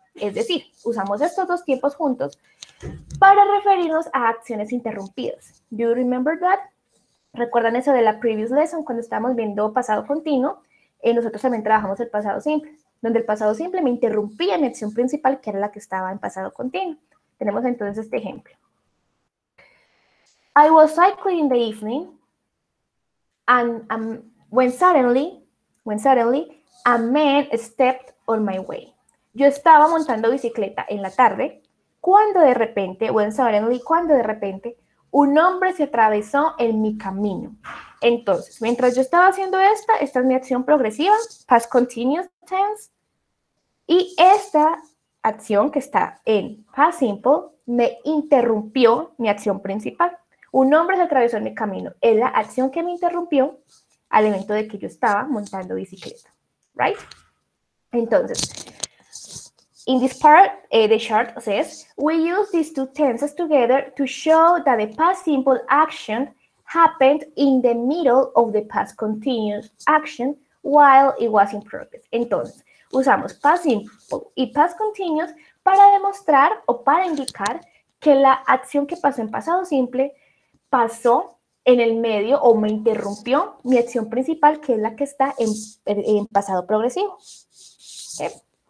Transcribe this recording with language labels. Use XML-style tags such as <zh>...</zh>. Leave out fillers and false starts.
<es>Es decir, usamos estos dos tiempos juntos para referirnos a acciones interrumpidas.</es> <en>Do you remember that?</en> <es>¿Recuerdan eso de la</es> <en>previous lesson</en> <es>cuando estábamos viendo pasado continuo? Nosotros también trabajamos el pasado simple, donde el pasado simple me interrumpía mi acción principal, que era la que estaba en pasado continuo. Tenemos entonces este ejemplo.</es> <en>I was cycling in the evening and when suddenly a man stepped on my way.</en> <es>Yo estaba montando bicicleta en la tarde cuando de repente un hombre se atravesó en mi camino. Entonces, mientras yo estaba haciendo esta es mi acción progresiva, past continuous tense, y esta acción que está en past simple me interrumpió mi acción principal. Un hombre se atravesó en mi camino. Es la acción que me interrumpió al evento de que yo estaba montando bicicleta.</es> <en>Right? Entonces, in this part, the chart says, we use these two tenses together to show that the past simple action happened in the middle of the past continuous action while it was in progress.</en> <es>Entonces, usamos past simple y past continuous para demostrar o para indicar que la acción que pasó en pasado simple pasó en el medio o me interrumpió mi acción principal, que es la que está en pasado progresivo. ¿Okay?</es>